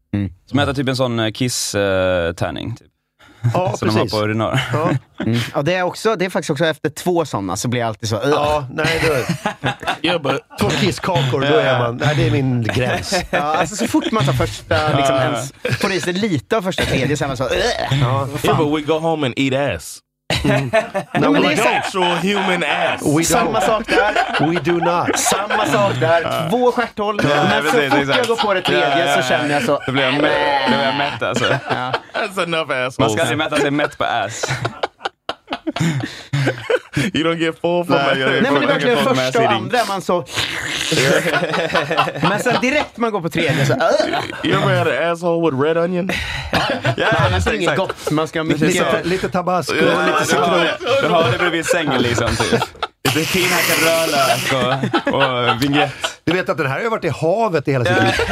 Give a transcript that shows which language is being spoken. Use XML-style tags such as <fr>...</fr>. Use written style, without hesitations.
<sv>Mm. Som att äta typ en sån kiss-tärning. Typ. Ja, som precis. De har på urinar. Ja. Mm. Ja, det är också, det är faktiskt också efter två sådana så blir jag alltid så. Ja, nej du. Jag bara, två kisskakor, då är man, nej det är min gräns. Ja, alltså så fort man tar första, liksom ens, får det sig lite av första tredje, så är man så.</sv> <en>Ja, but we go home and eat ass. No, we don't show human ass. We</en> <sv>samma sak där.</sv> <en>We do not.</en> <sv>Samma sak där. Två stjärthåll. Men så fort jag går på det tredje så känner jag så. Det blir jag mätt alltså.</sv> <en>That's enough ass.</en> <sv>Man ska aldrig mätta sig mätt på ass.</sv> <en>You don't get full from</en> <sv>nej. Nej, men det är verkligen första och andra man så. Men sen direkt man går på tredje så.</sv> <en>You ever had an asshole with red onion? Yeah, man,</en> <sv>det är inget gott. Man ska ha mycket lite tabasco och lite citron. Du har det bredvid sängen liksom typ. Det är fina karrölök och vinjett. Du vet att det här har varit i havet i hela sitt liv.</sv>